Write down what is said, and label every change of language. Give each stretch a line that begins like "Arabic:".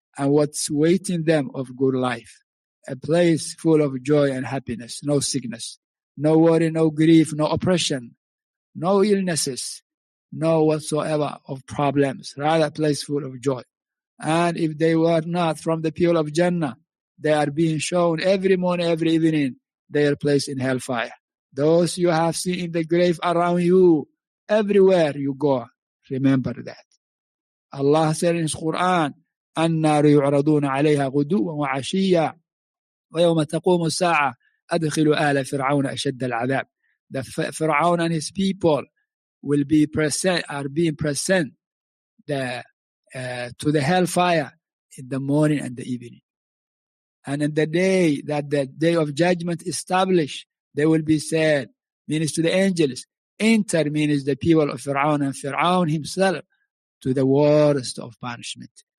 English: and what's waiting them of good life, a place full of joy and happiness, no sickness, no worry, no grief, no oppression, no illnesses, no whatsoever of problems, rather a place full of joy. And if they were not from the people of Jannah, they are being shown every morning, every evening, their place in hellfire. Those you have seen in the grave around you, everywhere you go, remember that. Allah said in His Quran,
Arabic: النار يعرضون عليها غدوا وعشيا ويوم تقوم الساعة أدخلوا آل فرعون أشد العذاب.
English: The Pharaoh and his people will be present, are being present to the hellfire in the morning and the evening. And in the day that the day of judgment established, they will be said, means to the angels, enter, means the people of Pharaoh and Pharaoh himself, to the worst of punishment.